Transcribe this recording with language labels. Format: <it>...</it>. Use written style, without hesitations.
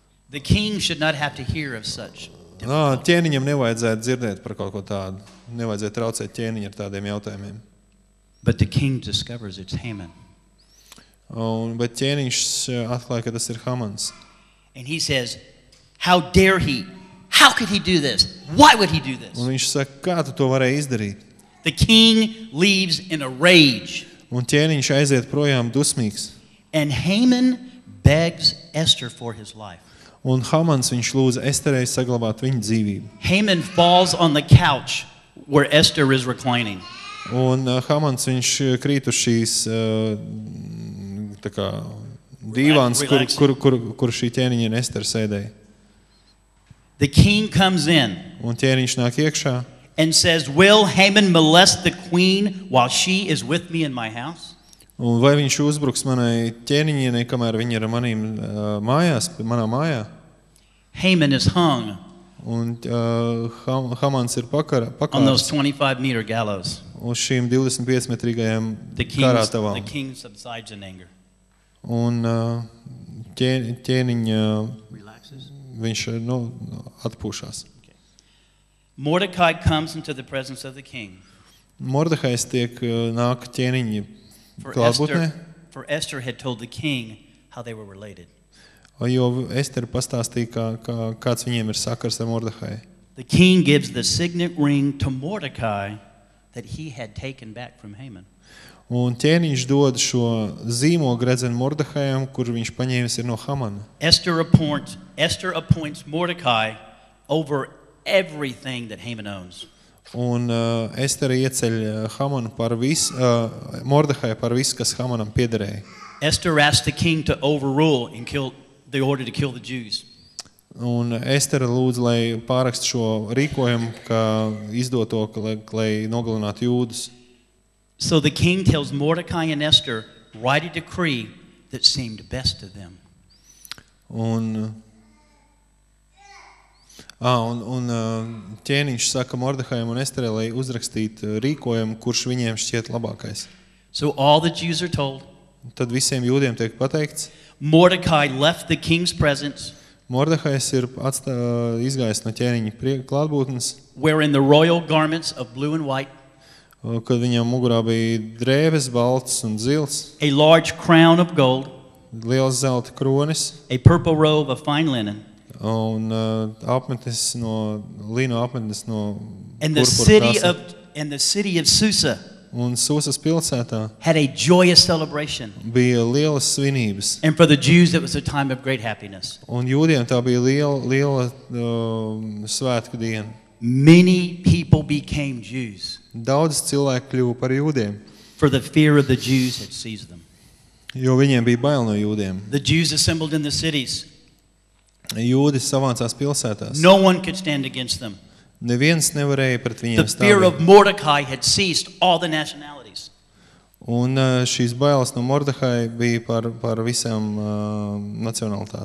<en>the king should not have to hear of such.</en> <lv>No, ķēniņam nevajadzētu dzirdēt par kaut ko tādu. Nevajadzētu traucēt ķēniņu ar tādiem jautājumiem.</lv> <en>But the king discovers it's Haman.</en> <lv>Bet ķēniņš atklāja, ka tas ir Hamans.</lv> <en>And he says, how dare he? How could he do this? Why would he do this?</en> <lv>Un viņš saka, kā tu to varēji izdarīt?</lv> <en>The king leaves in a rage.</en> <lv>Un ķēniņš aiziet projām dusmīgs.</lv> <en>And Haman begs Esther for his life.</en> <lv>Un Hamans viņš lūdz Esterai saglabāt viņa dzīvību.</lv> <en>Haman falls on the couch where Esther is reclining.</en> <lv>Un Hamans viņš krīt uz šīs dīvāns, kur šī ķēniņa un Ester sēdēja.</lv> <en>The king comes in.</en> <lv>Un ķēniņš nāk iekšā.</lv> <en>And says, will Haman molest the queen while she is with me in my house?</en> <lv>Un vai viņš uzbruks manai ķēniņienei, kamēr viņa ir manīm mājās, manā mājā?</lv> <en>Haman is hung.</en> <lv>Un Hamans ir pakārts.</lv> <en>On those 25 meter gallows.</en> <lv>Uz šīm 25 metrīgajām karātavām.</lv> <en>The king subsides in anger.</en> <lv>Un ķēniņa viņš atpūšās.</lv> <en>Mordecai comes into the presence of the king.</en> <lv>Mordehai tiek nāk ķēniņi klātbūtnē.</lv> <en>For Esther had told the king how they were related.</en> <lv>Jo Ester pastāstīja, kā kāds viņiem ir sakars ar Mordehai.</lv> <en>The king gives the signet ring to Mordecai that he had taken back from Haman.</en> <lv>Un ķēniņš dod šo zīmogu redzenu Mordehaijam, kur viņš paņēmis ir no Hamana.</lv> <en>Esther appoints Mordecai over everything that Haman owns.</en> <lv>Un Estera ieceļ Hamanu par visu, Mordehai par visu, kas Hamanam piederēja.</lv> <en>Esther asked the king to overrule and kill the order to kill the Jews.</en> <lv>Un Estera lūdz, lai pārakst šo rīkojumu, ka izdot to, lai nogalinātu jūdus.</lv> <en>So the king tells Mordecai and Esther, write a decree that seemed best to them.</en> <lv>Un ķēniņš saka Mordehajam un Esterai, lai uzrakstītu rīkojumu, kurš viņiem šķiet labākais.</lv> <en>So all the Jews are told.</en> <lv>Tad visiem jūdiem tiek pateikts.</lv> <en>Mordecai left the king's presence.</en> <lv>Mordehajs ir izgājis no ķēniņa klātbūtnes.</lv> <en>Wearing the royal garments of blue and white.</en> <lv>Kad viņam mugurā bija drēves balts un zils.</lv> <en>A large crown of gold.</en> <lv>Liels zelta kronis.</lv> <en>A purple robe of fine linen.</en> <lv>Un apmetnes no lino apmetnes no</lv> <en>and the city krāsa. Of and the city of Susa.</en> <lv>Un Susas pilsētā.</lv> <en>Had a joyous celebration.</en> <lv>Bija lielas svinības.</lv> <en>And for the Jews it was a time of great happiness.</en> <lv>Un jūdiem tā bija liela svētku diena.</lv> <en>Many people became Jews.</en> <lv>Daudz cilvēku kļuva par jūdiem.</lv> <en>For the fear of the Jews had seized them.</en> <lv>Jo viņiem bija bail no jūdiem.</lv> <en>The Jews assembled in the cities.</en> <lv>Jūdi savācās pilsētās.</lv> <en>No one could stand against them.</en> <lv>Neviens nevarēja pret viņiem stāvēt.</lv> <en>The fear of Mordecai had seized all the nationalities.</en> <lv>Un šīs bailes no Mordehaja bija par visām nacionalitātēm.</lv>